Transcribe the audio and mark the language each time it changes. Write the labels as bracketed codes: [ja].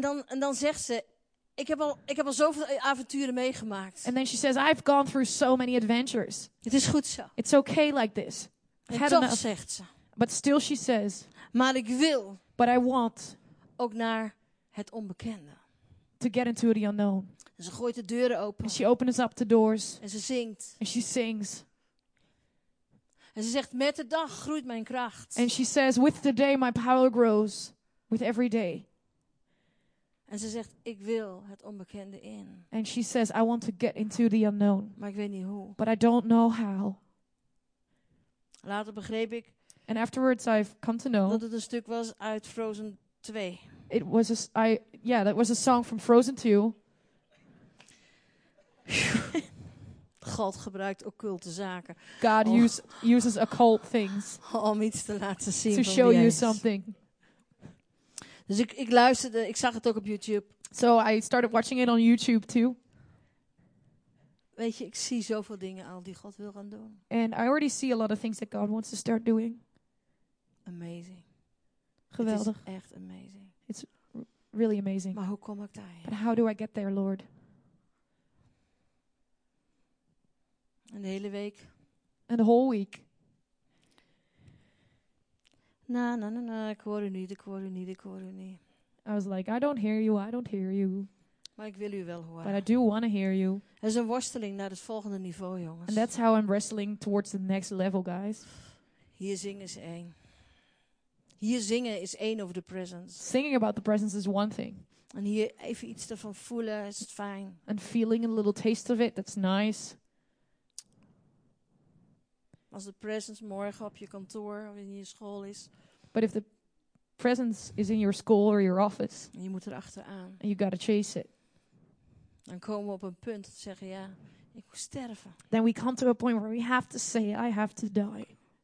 [nl] En dan zegt ze, ik heb al zoveel avonturen meegemaakt. [en] And then she says, I've gone through so many adventures. [nl] Het is goed zo. [en] It's okay like this. [nl] En toch zegt ze. [en] But still she says. [nl] Maar ik wil. [en] But I want. [nl] Ook naar het onbekende. [en] To get into the unknown. [nl] En ze gooit de deuren open. [en] And she opens up the doors. [nl] En ze zingt. [en] And she sings. [nl] En ze zegt, met de dag groeit mijn kracht. [en] And she says, with the day my power grows. With every day. [nl] En ze zegt, ik wil het onbekende in. [en] And she says, I want to get into the unknown. [nl] Maar ik weet niet hoe. [en] But I don't know how. [nl] Later begreep ik. [en] And afterwards I've come to know. [nl] Dat het een stuk was uit Frozen 2. [en] It was that was a song from Frozen 2. [nl] God gebruikt occulte zaken. [en] God uses occult things. [nl] Om iets te laten zien. [en] To show you something. [nl] Dus ik luisterde, ik zag het ook op YouTube. [en] So I started watching it on YouTube too. [nl] Weet je, ik zie zoveel dingen al die God wil gaan doen. [en] And I already see a lot of things that God wants to start doing. Amazing. [nl] Geweldig. Het is echt amazing. [en] It's really amazing. [nl] Maar hoe kom ik daarheen? [en] But how do I get there, Lord? [nl] En de hele week. [en] And the whole week. [nl] Na, ik hoor u niet. [en] I was like, I don't hear you, I don't hear you. [nl] Maar ik wil u wel horen. [en] But I do want to hear you. [nl] Er is een worsteling naar het volgende niveau, jongens. [en] And that's how I'm wrestling towards the next level, guys. [nl] Hier zingen is één. Hier zingen is één [en] over the presence. Singing about the presence is one thing. [nl] En hier even iets ervan voelen, is het fijn. [en] And feeling a little taste of it, that's nice. [nl] Als de presence morgen op je kantoor of in je school is. [en] But if the presence is in your school or your office. [nl] En je moet er achteraan. [en] And you gotta chase it. [nl] Dan komen we op een punt dat zeggen, ja, ik moet sterven. [en] Then we come to a point where we have to say, I have to die.